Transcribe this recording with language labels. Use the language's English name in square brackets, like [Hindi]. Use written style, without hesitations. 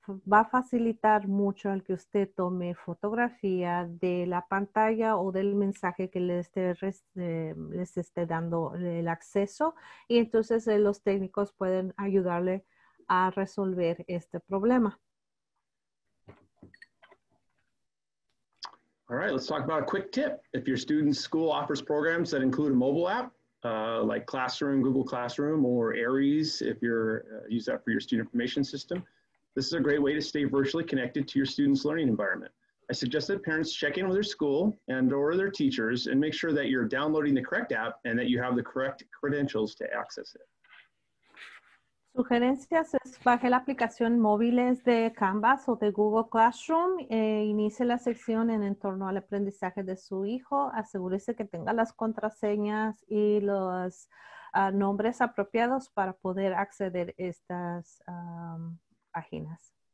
[Spanish] Va a facilitar mucho el que usted tome fotografía de la pantalla o del mensaje que les esté dando el acceso. Y entonces los técnicos pueden ayudarle a resolver este problema. [English] All right, let's talk about a quick tip. If your student's school offers programs that include a mobile app, like Classroom, Google Classroom, or Aries, if you're use that for your student information system, this is a great way to stay virtually connected to your student's learning environment. I suggest that parents check in with their school and or their teachers and make sure that you're downloading the correct app and that you have the correct credentials to access it. [Spanish] Sugerencias es baje la aplicación móviles de Canvas o de Google Classroom, inicie la sección en entorno al aprendizaje de su hijo, asegúrese que tenga las contraseñas y los nombres apropiados para poder acceder a estas páginas.